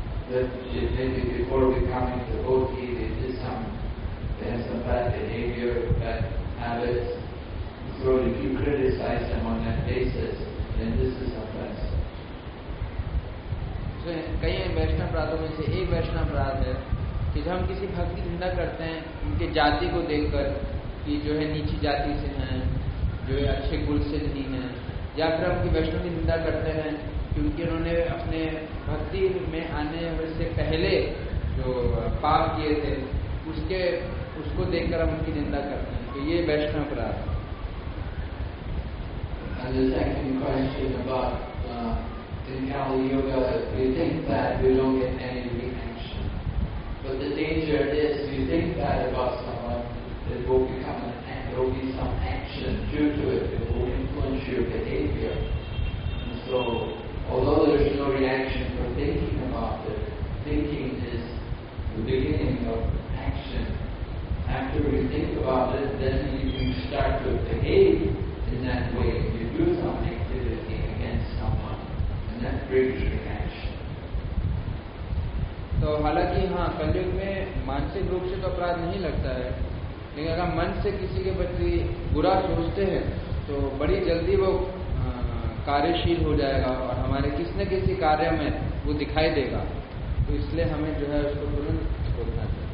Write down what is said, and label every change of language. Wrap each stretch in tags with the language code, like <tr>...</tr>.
<en>That maybe before becoming a devotee they did some, they had some bad behavior, bad habits. So if you criticize them on that basis, then this is offensive.</en> <hi>So कई वैष्णव प्रादों में से एक वैष्णव प्राद है कि जब हम किसी भक्त की निंदा करते हैं उनके जाति को देखकर कि जो है नीची जाति से हैं, जो है अच्छे कुल से नहीं हैं, या फिर हम उनकी वैष्णव की निंदा करते हैं क्योंकि उन्होंने अपने भक्ति में आने से पहले जो पाप किए थे उसके उसको देखकर हम उनकी निंदा करते हैं तो ये वैष्णव अपराध है.</hi> <en>And the second question about in Kali Yuga, we think that we don't get any reaction, but the danger is you think bad about someone, there will become an act, there will be some action due to it, it will influence your behavior. And so, although there's no reaction for thinking about it, thinking is the beginning of action. After we think about it, then you start to behave in that way. You do some activity against someone, and that brings reaction.</en> <hi>So, हालांकि हाँ कलयुग में मानसिक रूप से तो अपराध नहीं लगता है, लेकिन अगर मन से किसी के प्रति बुरा सोचते हैं तो बड़ी जल्दी वो कार्यशील हो जाएगा और हमारे किसी न किसी कार्य में वो दिखाई देगा, तो इसलिए हमें जो है उसको तुरंत छोड़ना</hi>